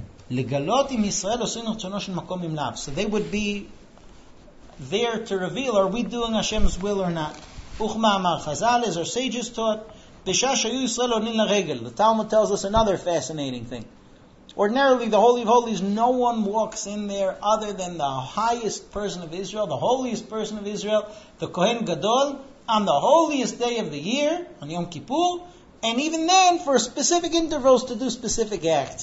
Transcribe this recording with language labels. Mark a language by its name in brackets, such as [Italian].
[Hebrew] לגלות אם ישראל עושים רצונו של מקום עם לב. [English] So they would be there to reveal, are we doing Hashem's will or not? [Hebrew] וכמה אמר חזל, [English] as our sages taught, [Hebrew] בשעה שהיו ישראל עונים לרגל. [English] The Talmud tells us another fascinating thing. Ordinarily, the Holy of Holies, no one walks in there other than the highest person of Israel, the holiest person of Israel, the Kohen Gadol, on the holiest day of the year, on Yom Kippur, and even then, for specific intervals to do specific acts.